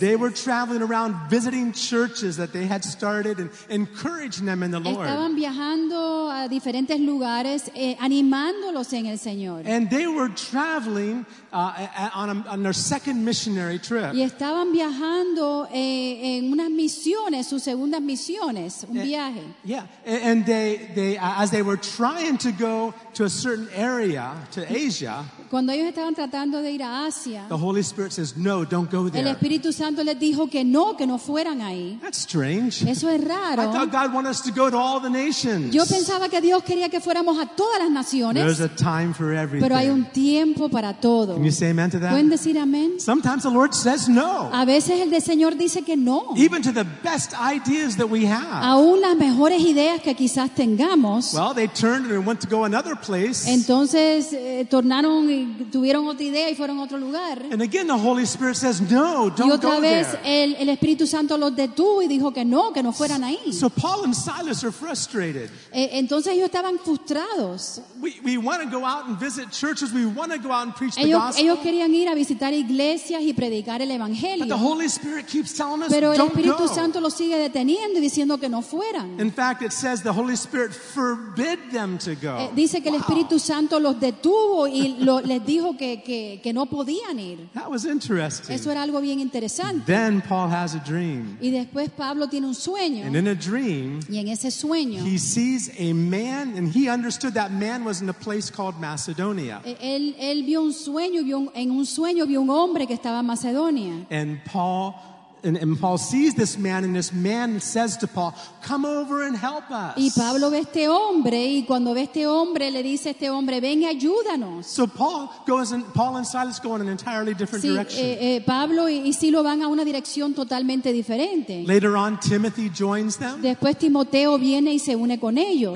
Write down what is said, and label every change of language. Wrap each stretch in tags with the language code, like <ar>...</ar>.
<en>They were traveling around visiting churches that they had started and encouraging them in the Lord.</en> <es>Estaban viajando a diferentes lugares, animándolos en el Señor.</es> <en>And they were traveling on their second missionary trip.</en> <es>Y estaban viajando en unas misiones, sus segundas misiones, un viaje.</es> <en>Yeah, and they as they were trying to go to a certain area, to Asia.</en> <es>Cuando ellos estaban tratando de ir a Asia,</es> <en>the Holy Spirit says, no, don't go there.</en> <es>El Espíritu Santo les dijo que no fueran ahí.</es> <en>That's strange.</en> <es>Eso es raro.</es> <en>I thought God wanted us to go to all the nations.</en> <es>Yo pensaba que Dios quería que fuéramos a todas las naciones.</es> <en>There's a time for everything.</en> <es>Pero hay un tiempo para todo.</es> <en>Can you say amen to that?</en> <es>¿Pueden decir amén?</es> <en>Sometimes the Lord says no.</en> <es>A veces el Señor dice que no.</es> <en>Even to the best ideas that we have.</en> <es>Aún las mejores ideas que quizás tengamos.</es> <en>Well, they turned and went to go another place.</en> <es>Entonces tornaron tuvieron otra idea y fueron a otro lugar.</es> <en>And again the Holy Spirit says no, don't go there.</en> <es>Y otra vez el Espíritu Santo los detuvo y dijo que no fueran ahí.</es> <en>So Paul and Silas are frustrated.</en> <es>Entonces ellos estaban frustrados.</es> <en>We want to go out and visit churches, we want to go out and preach the gospel.</en> <es>Ellos querían ir a visitar iglesias y predicar el evangelio.</es> <en>But the Holy Spirit keeps telling us don't go.</en> <es>Pero el Espíritu Santo los sigue deteniendo y diciendo que no fueran.</es> <en>In fact, it says the Holy Spirit forbid them to go.</en> <es>Dice que el Espíritu Santo los detuvo y les dijo que no podían ir.</es> <en>That was interesting.</en> <es>Eso era algo bien interesante.</es> <en>Then Paul has a dream.</en> <es>Y después Pablo tiene un sueño.</es> <en>And in a dream,</en> <es>y en ese sueño,</es> <en>he sees a man, and he understood that man was in a place called Macedonia.</en> <es>Él vio un sueño, vio un hombre que estaba en Macedonia.</es> <en>And Paul sees this man, and this man says to Paul, "Come over and help us."</en> <es>Y Pablo ve este hombre, y cuando ve este hombre, le dice a este hombre, "Ven y ayúdanos."</es> <en>So Paul and Silas go in an entirely different direction.</en> <es>Pablo y Silo van a una dirección totalmente diferente.</es> <en>Later on, Timothy joins them.</en> <es>Después Timoteo viene y se une con ellos.</es>